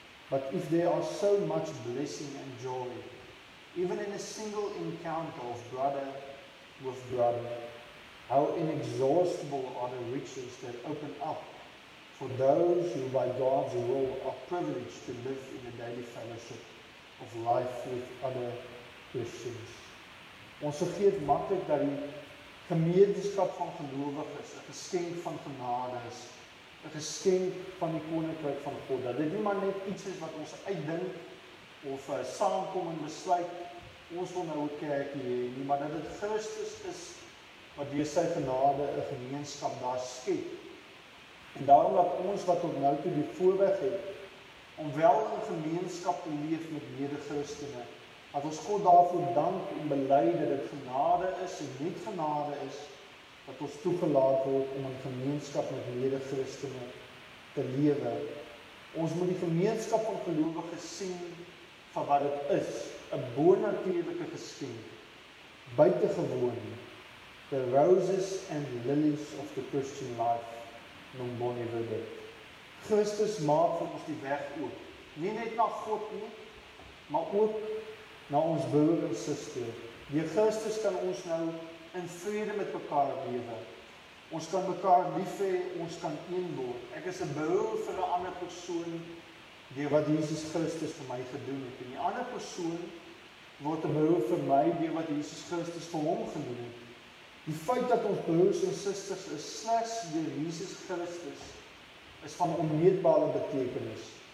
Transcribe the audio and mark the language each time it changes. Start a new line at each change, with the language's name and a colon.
English: But if there are so much blessing and joy, even in a single encounter of brother with brother, how inexhaustible are the riches that open up for those who by God's will are privileged to live in the daily fellowship of life with other Christians.
Afrikaans: Ons vergeet maklik dat die gemeenskap van gelowiges 'n geskenk van genade is, 'n geskenk van die koninkryk van God, dat dit nie maar net iets is wat ons uitdink of saamkom en besluit ons wil nou 'n kerkie hê nie, maar dat dit Christus is wat deur sy genade 'n gemeenskap daar skep. En daarom dat ons wat tot nou toe die voorreg het om wel in gemeenskap te leef met mede-Christene, dat ons God daarvoor dank en bely dat dit genade is en net genade is dat ons toegelaat word om in gemeenskap met mede-Christene te lewe. Ons moet die gemeenskap van gelowiges sien vir wat dit is, 'n bonatuurlike geskenk, buitengewoon,
English: the roses and lilies of the Christian life.
Afrikaans: Noem Bonnie vir dit. Christus maak vir ons die weg oop, nie net na God nie, maar ook na ons broer en suster. Deur Christus kan ons nou in vrede met mekaar lewe. Ons kan mekaar lief hê, ons kan een word. Ek is 'n behul vir 'n ander persoon deur wat Jesus Christus vir my gedoen het. En die ander persoon word 'n behul vir my deur wat Jesus Christus vir hom gedoen het. Die feit dat ons broers en susters is slegs deur Jesus Christus is van onmeetbare betekenis.